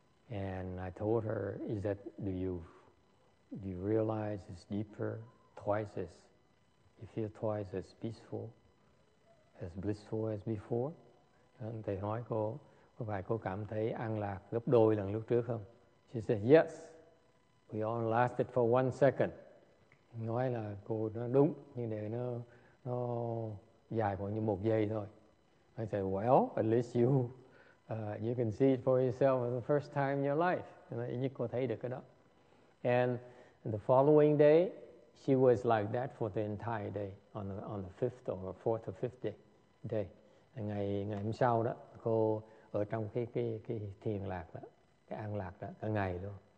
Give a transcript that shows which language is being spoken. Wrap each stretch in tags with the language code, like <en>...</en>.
<en>And I told her, is that do you realize it's deeper, twice as, you feel twice as peaceful, as blissful as before?</en> <vi>And thầy hỏi cô, có phải cô cảm thấy an lạc gấp đôi lần lúc trước không?</vi> <en>She said, yes, we all lasted for 1 second.</en> <vi>Nói là cô nó đúng, nhưng để nó dài khoảng như 1 giây thôi.</vi> <en>I said, well, at least you can see it for yourself for the first time in your life.</en> <vi>Như cô thấy được cái đó.</vi> <en>And the following day, she was like that for the entire day, on the fifth or fourth or fifth day.</en> <vi>Ngày hôm sau đó, cô ở trong cái thiền lạc đó, cái an lạc đó, cả ngày luôn.</vi>